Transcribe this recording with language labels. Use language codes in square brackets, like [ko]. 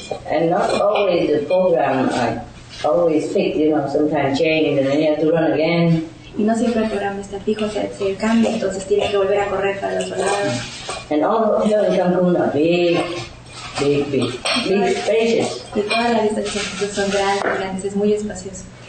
[en] And not always the program I always pick, you know, sometimes change and then you have to run again. [es] Y no siempre el programa está fijo, se cambia, entonces tienes que volver a correr para los lados. [en] And all of them come from a big spacious. [es] Y todas las distancias son grandes, es muy espacioso.